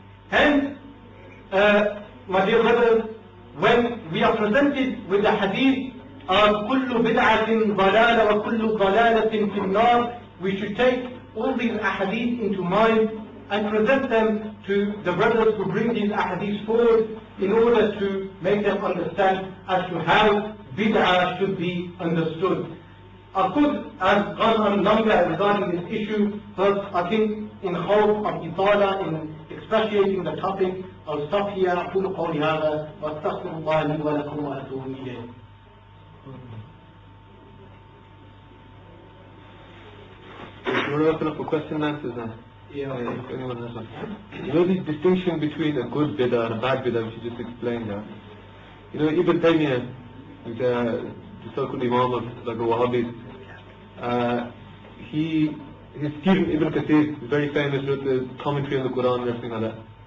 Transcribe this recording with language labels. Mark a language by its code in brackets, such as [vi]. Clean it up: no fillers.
[en] Hence, my dear brothers, when we are presented with the hadith of [ar] kullu bid'atin dalala wa kullu dalalatin fil nar, [en] we should take all these ahadith into mind and present them to the brothers who bring these ahadith forward in order to make them understand as to how bid'ah should be understood. A good has gone on longer regarding this issue, but I think in hope of itala, in expatiating the topic, I'll stop here. [ar] أقول قولي هذا وأستغفر الله لي ولكم وأتوب إليه. [en] We're opening for question and answers now. You know this distinction between a good bid'ah and a bad bid'ah, which you just explained now. You know, Ibn Taymiyyah, who's the so-called Imam of the Wahhabis, his student Ibn Kathir, very famous, wrote the commentary on the Quran and everything like that.